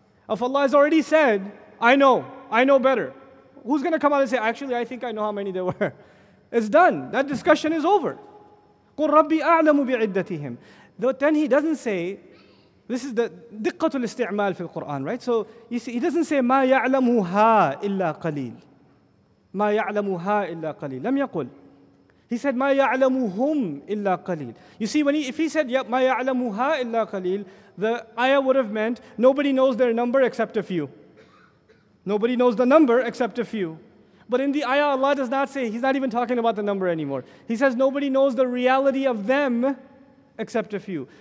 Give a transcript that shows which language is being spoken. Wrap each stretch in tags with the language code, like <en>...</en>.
<en>If Allah has already said, I know better. Who's going to come out and say, actually, I think I know how many there were? It's done. That discussion is over.</en> <ar>قُلْ رَبِّي أَعْلَمُ بِعِدَّتِهِمْ.</ar> <en>Then he doesn't say, this is the</en> <ar>دِقَّةُ الْاِسْتِعْمَالِ فِي الْقُرْآنِ,</ar> <en>right? So you see, he doesn't say,</en> <ar>مَا يَعْلَمُ هَا إِلَّا قَلِيلٌ. مَا يَعْلَمُ هَا إِلَّا قَلِيلٌ. لَمْ يَقُلْ.</ar> <en>He said,</en> <ar>مَا يَعْلَمُ هُمْ إِلَّا قَلِيلٌ.</ar> <en>You see, if he said,</en> <ar>مَا يَعْلَمُ هَا إِلَّا قَلِيلٌ,</ar> <en>the ayah would have meant, nobody knows their number except a few. Nobody knows the number except a few. But in the ayah, Allah does not say, he's not even talking about the number anymore. He says, nobody knows the reality of them except a few.</en>